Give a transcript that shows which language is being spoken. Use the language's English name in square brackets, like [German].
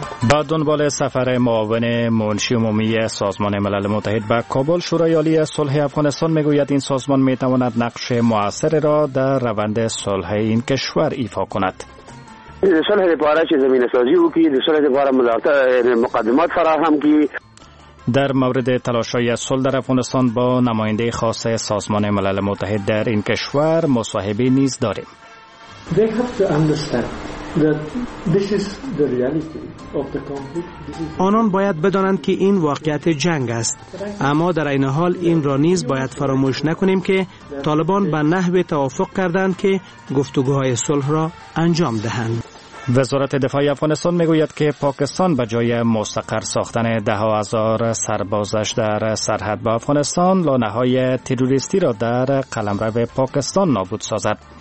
[Persian] با دنبال سفر معاون منشی عمومی سازمان ملل متحد به کابل، شورای عالی صلح افغانستان میگوید این سازمان میتواند نقش مؤثری را در روند صلح این کشور ایفا کند. [Pashto] صلح لپاره چه زمینه سازی او کی صلح لپاره مقدمات فراهم کی. [Persian] در مورد تلاش‌های صلح در افغانستان با نماینده خاص سازمان ملل متحد در این کشور مصاحبه نیز داریم. [English] They have to understand that this is the reality of the conflict. [Persian] آنان باید بدانند که این واقعیت جنگ است، اما در این حال این را نیز باید فراموش نکنیم که طالبان به نحو توافق کردند که گفتگوهای صلح را انجام دهند. وزارت دفاع افغانستان میگوید که پاکستان به جای مستقر ساختن ده ها هزار سربازش در سرحد با افغانستان، لانه‌های تروریستی را در قلمرو پاکستان نابود سازد.